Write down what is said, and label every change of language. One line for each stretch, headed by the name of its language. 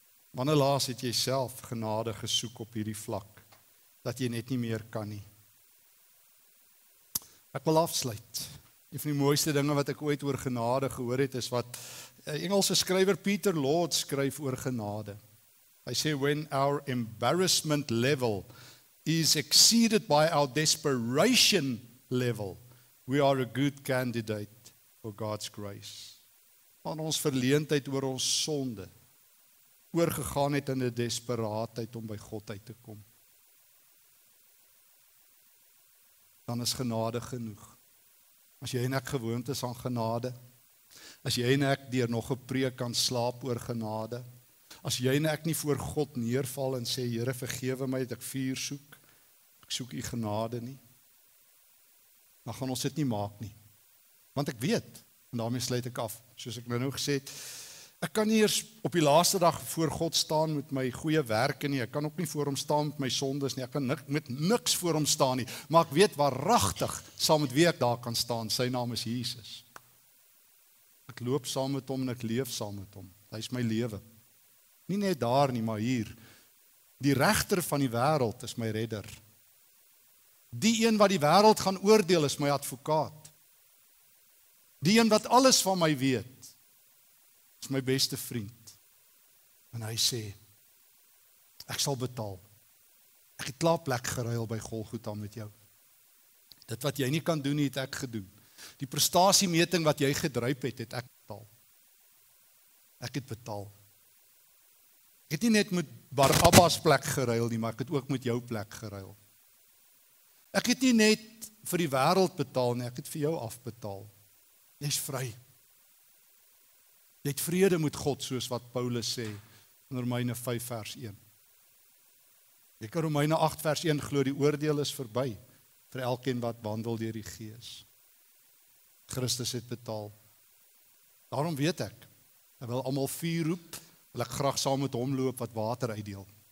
Afrikaans: Wanneer laatst het jy self genade gesoek op hierdie vlak, dat jy net nie meer kan nie? Ek wil afsluit. Een van die mooiste dinge wat ek ooit oor genade gehoor het, is wat Engelse skrywer Peter Lord skryf oor genade. Hy sê,
English: when our embarrassment level is exceeded by our desperation level, we are a good candidate for God's grace.
Afrikaans: Want ons verleentheid oor ons sonde oorgegaan het in 'n desperaatheid om by God uit te kom. Dan is genade genoeg. As jy en ek gewoond is aan genade, as jy en ek deur nog 'n preek kan slaap oor genade, as jy en ek nie voor God neerval en sê, Here vergewe my, dat ek vuur soek, ek soek u genade nie, dan gaan ons dit nie maak nie. Want ek weet, en daarmee sluit ek af, soos ek nou gesê het, ek kan nie eers op die laaste dag voor God staan met my goeie werke nie, ek kan ook nie voor hom staan met my sondes nie, ek kan met niks voor hom staan nie, maar ek weet waarachtig saam met wie ek daar kan staan, sy naam is Jesus. Ek loop saam met hom en ek leef saam met hom, hy is my lewe. Nie net daar nie, maar hier. Die regter van die wêreld is my redder. Die een wat die wêreld gaan oordeel is my advokaat. Die een wat alles van my weet, is my beste vriend. En hy sê, ek sal betaal. Ek het klaar plek geruil by Golgotha met jou. Dit wat jy nie kan doen, het ek gedoen. Die prestasiemeting wat jy gedruip het, het ek betaal. Ek het betaal. Ek het nie net met Barabbas plek geruil nie, maar ek het ook met jou plek geruil. Ek het nie net vir die wêreld betaal nie, ek het vir jou afbetaal. Jy is vry. Jy het vrede met God, soos wat Paulus sê, in Romeine 5 vers 1. Jy kan Romeine 8 vers 1 glo, die oordeel is verby, vir elkeen wat wandel deur die gees. Christus het betaal. Daarom weet ek, hy wil allemaal vuur roep, wil ek graag saam met hom loop wat water uitdeel.